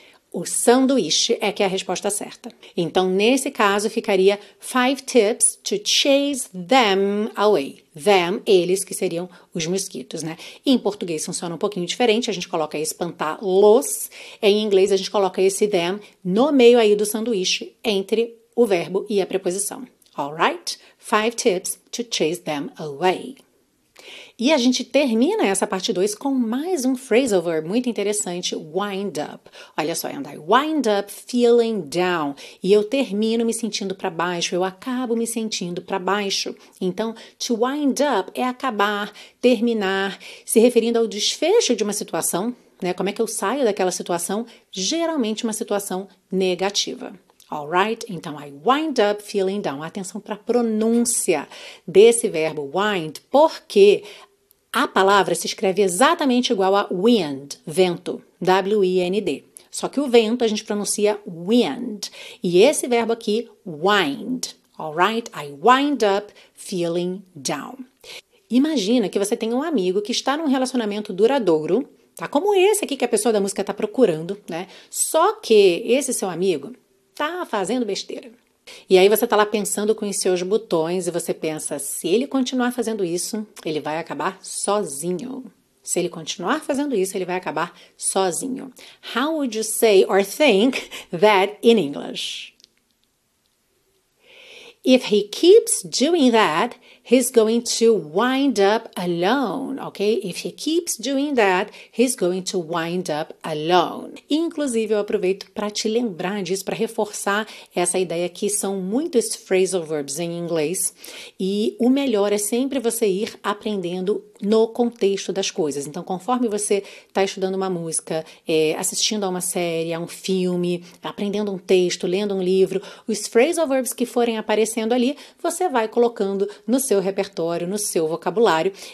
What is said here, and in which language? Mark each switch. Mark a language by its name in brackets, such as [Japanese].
[Portuguese] O sanduíche é que é a resposta certa. Então, nesse caso, ficaria [English] five tips to chase them away. [Portuguese] Them, eles, que seriam os mosquitos, né? Em português funciona um pouquinho diferente, a gente coloca espantar los. Em inglês, a gente coloca esse them no meio aí do sanduíche, entre o verbo e a preposição. [English] All right? Five tips to chase them away. [Portuguese] E a gente termina essa parte 2 com mais um phrasal verb muito interessante, wind up. Olha só, [English] and I wind up feeling down. [Portuguese] E eu termino me sentindo para baixo, eu acabo me sentindo para baixo. Então, to wind up é acabar, terminar, se referindo ao desfecho de uma situação, né? Como é que eu saio daquela situação? Geralmente uma situação negativa. [English] All right? Então, I wind up feeling down. [Portuguese] Atenção para a pronúncia desse verbo wind, porque a palavra se escreve exatamente igual a wind, vento, W-I-N-D. Só que o vento a gente pronuncia wind. E esse verbo aqui, wind. [English] All right? I wind up feeling down. [Portuguese] Imagina que você tem um amigo que está num relacionamento duradouro, tá? Como esse aqui que a pessoa da música está procurando, né? Só que esse seu amigo tá fazendo besteira. E aí você tá lá pensando com os seus botões e você pensa, se ele continuar fazendo isso, ele vai acabar sozinho. Se ele continuar fazendo isso, ele vai acabar sozinho. [English] How would you say or think that in English? If he keeps doing that, he's going to wind up alone, okay? If he keeps doing that, he's going to wind up alone. [Portuguese] Inclusive, eu aproveito para te lembrar disso, para reforçar essa ideia que são muitos phrasal verbs em inglês e o melhor é sempre você ir aprendendo no contexto das coisas. Então, conforme você está estudando uma música, assistindo a uma série, a um filme, aprendendo um texto, lendo um livro, os phrasal verbs que forem aparecendo ali, você vai colocando no seu repertório, no seu vocabulário.